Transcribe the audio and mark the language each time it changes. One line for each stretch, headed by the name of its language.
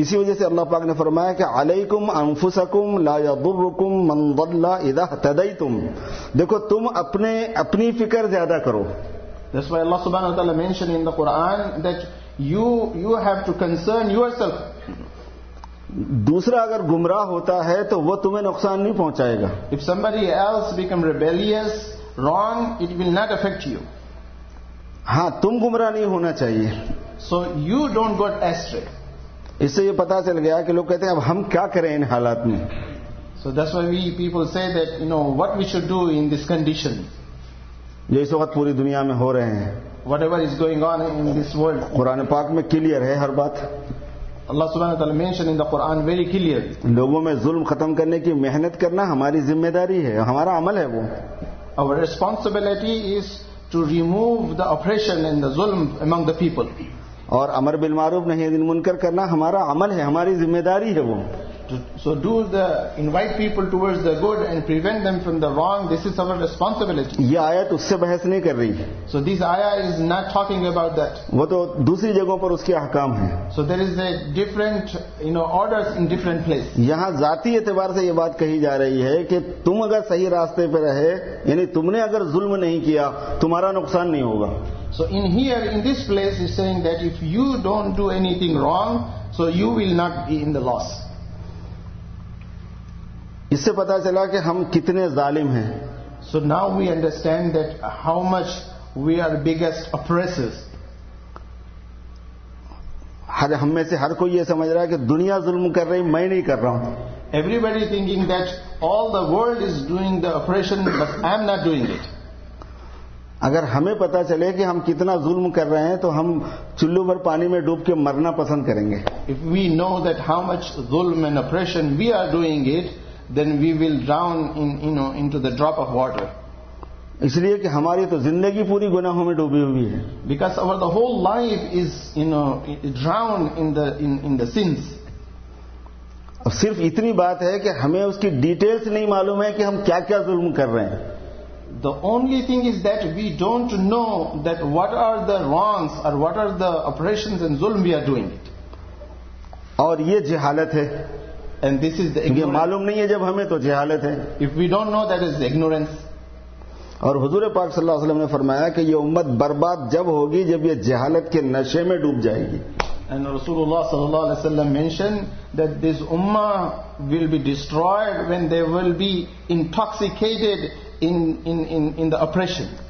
Urdu: اسی وجہ سے اللہ پاک نے فرمایا کہ
Arabic: علیکم انفسکم لا یضرکم من ضل اذا اهتدیتم
Urdu: دیکھو تم اپنی فکر زیادہ کرو
English: that's why Allah سبحانہ وتعالی mentioned in the Quran that you have to concern yourself
Urdu: دوسرا اگر گمراہ ہوتا ہے تو وہ تمہیں نقصان نہیں پہنچائے گا
English: if somebody else become rebellious wrong it will not affect you
Urdu: ہاں تم گمراہ نہیں ہونا چاہیے
English: so you don't got astray
Urdu: اس سے یہ پتہ چل گیا کہ لوگ کہتے ہیں اب ہم کیا کریں ان حالات میں
English: So that's why we people say that, you know, what we should do in this condition.
Urdu: جو اس وقت پوری دنیا میں ہو رہے ہیں.
English: Whatever is going on in this world.
Urdu: قرآن پاک میں کلیئر ہے ہر بات.
English: Allah subhanahu wa ta'ala mentioned in the Quran very clear.
Urdu: لوگوں میں ظلم ختم کرنے کی محنت کرنا ہماری ذمہ داری ہے, ہمارا عمل ہے وہ.
English: Our responsibility is to remove the oppression and the ظلم among the people.
Urdu: اور امر بالمعروف نہیں عن المنکر کرنا ہمارا عمل ہے, ہماری ذمہ داری ہے وہ.
English: So do the invite people towards the good and prevent them from the wrong. This is our responsibility.
Urdu: یہ آیت اس سے بحث نہیں کر رہی.
English: So this ayah is not talking about that.
Urdu: وہ تو دوسری جگہوں پر اس کے احکام ہیں.
English: So there is a different, you know, orders in different place.
Urdu: یہاں ذاتی اعتبار سے یہ بات کہی جا رہی ہے کہ تم اگر صحیح راستے پہ رہے, یعنی تم نے اگر ظلم نہیں کیا, تمہارا نقصان نہیں ہوگا.
English: So in here, in this place, he's saying that if you don't do anything wrong, so you will not be in the loss.
Urdu: اس سے پتا چلا کہ ہم کتنے ظالم ہیں.
English: So now we understand that how much we are biggest oppressors.
Urdu: ہر ہم میں سے ہر کوئی یہ سمجھ رہا ہے کہ دنیا ظلم کر رہی, میں نہیں کر رہا ہوں.
English: Everybody thinking that all the world is doing the oppression, but I am not doing it.
Urdu: اگر ہمیں پتا چلے کہ ہم کتنا ظلم کر رہے ہیں تو ہم چلو بھر پانی میں ڈوب کے مرنا پسند کریں گے.
English: If we know that how much ظلم and oppression we are doing it, then we will drown in, you know, into the drop of water.
Urdu: اس لیے کہ ہماری تو زندگی پوری گناہوں میں ڈوبی ہوئی ہے.
English: Because our the whole life is, you know, drowned in the sins.
Urdu: اور صرف اتنی بات ہے کہ ہمیں اس کی ڈیٹیلز نہیں معلوم ہے کہ ہم کیا کیا ظلم کر رہے ہیں.
English: The only thing is that we don't know that what are the wrongs or what are the oppressions and zulm we are doing it.
Urdu: اور یہ جہالت ہے.
English: And this is the ignorance.
Urdu: معلوم نہیں ہے جب ہمیں تو جہالت ہے.
English: If we don't know, that is ignorance.
Urdu: اور حضور پاک صلی اللہ علیہ وسلم نے فرمایا کہ یہ امت برباد جب ہوگی جب یہ جہالت کے نشے میں ڈوب جائے گی.
English: And Rasulullah صلی اللہ علیہ وسلم mentioned that this ummah will be destroyed when they will be intoxicated in the oppression.